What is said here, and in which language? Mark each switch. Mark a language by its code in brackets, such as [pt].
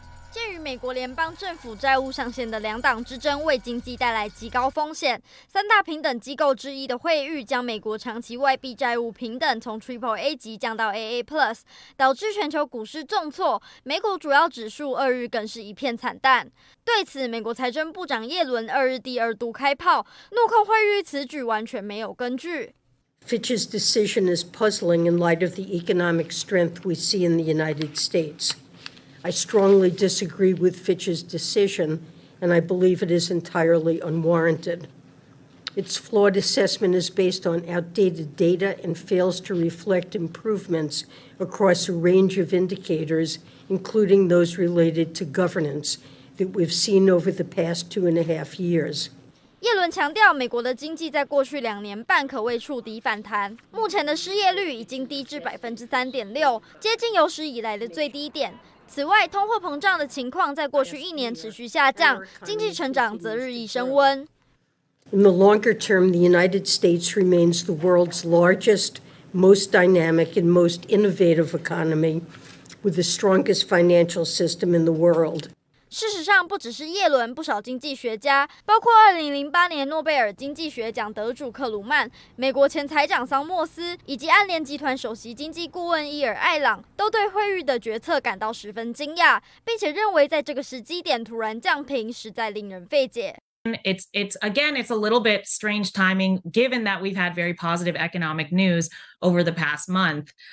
[zh] 鉴于美国联邦政府债务上限的两党之争为经济带来极高风险，三大平等机构之一的惠誉将美国长期外币债务平等从 AAA 级降到 AA+， 导致全球股市重挫，美股主要指数二日更是一片惨淡。对此，美国财政部长耶伦二日第二度开炮，怒控惠誉此举完全没有根据。 [en] Fitch's decision is puzzling in light of the economic strength we see in the United States. I strongly disagree with Fitch's decision, and I believe it is entirely unwarranted. Its flawed assessment is based on outdated data and fails to reflect improvements across a range of indicators, including those related to governance, that we've seen over the past 2.5 years. [zh] 耶伦强调，美国的经济在过去两年半可谓触底反弹，目前的失业率已经低至3.6%，接近有史以来的最低点。此外，通货膨胀的情况在过去一年持续下降，经济成长则日益升温。 [en] In the longer term, the United States remains the world's largest, most dynamic, and most innovative economy, with the strongest financial system in the world. [zh] 事实上，不只是耶伦，不少经济学家，包括2008年诺贝尔经济学奖得主克鲁曼、美国前财长桑莫斯以及暗联集团首席经济顾问伊尔艾朗，都对惠誉的决策感到十分惊讶，并且认为在这个时机点突然降评，实在令人费解。 [en] It's a little bit strange timing, given that we've had very positive economic news over the past month.